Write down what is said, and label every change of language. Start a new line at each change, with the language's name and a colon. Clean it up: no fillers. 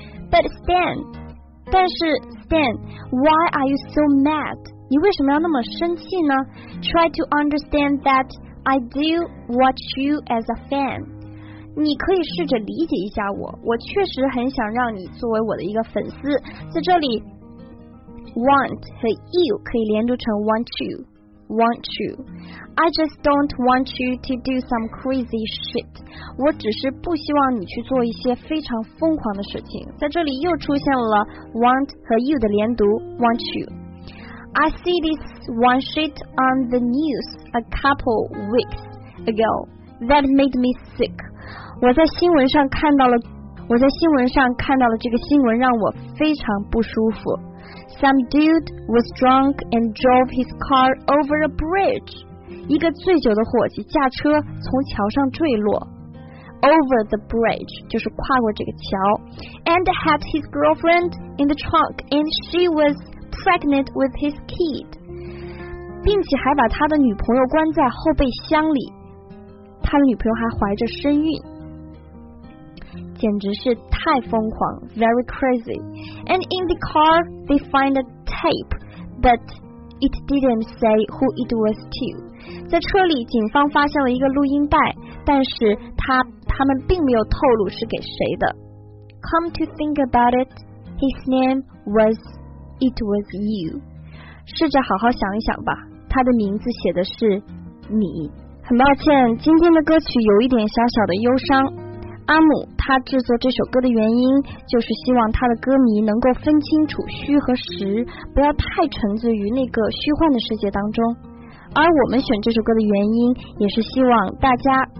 English: But Stan，
Chinese: 但是 Stan，
English: Why are you so mad？
Chinese: 你为什么要那么生气呢？
English: Try to understand that I do watch you as a fan，
Chinese: 你可以试着理解一下我，我确实很想让你作为我的一个粉丝。在这里 want 和 you 可以连读成 want you， want you。
English: I just don't want you to do some crazy shit，
Chinese: 我只是不希望你去做一些非常疯狂的事情。在这里又出现了 want 和 you 的连读 want you。
English: I see this one shit on the news a couple weeks ago that made me sick，
Chinese: 我在新闻上看到了这个新闻让我非常不舒服。
English: Some dude was drunk and drove his car over a bridge，
Chinese: 一个醉酒的伙计驾车从桥上坠落。 Over the bridge 就是跨过这个桥。
English: And had his girlfriend in the trunk and she was pregnant with his kid，
Chinese: 并且还把他的女朋友关在后备箱里，他的女朋友还怀着身孕，简直是太疯狂，
English: very crazy。 And in the car they find a tape but it didn't say who it was to，
Chinese: 在车里警方发现了一个录音带，但是他们并没有透露是给谁的。
English: Come to think about it his name was it was you，
Chinese: 试着好好想一想吧，他的名字写的是你。很抱歉今天的歌曲有一点小小的忧伤，阿姆他制作这首歌的原因就是希望他的歌迷能够分清楚虚和实，不要太沉醉于那个虚幻的世界当中。而我们选这首歌的原因也是希望大家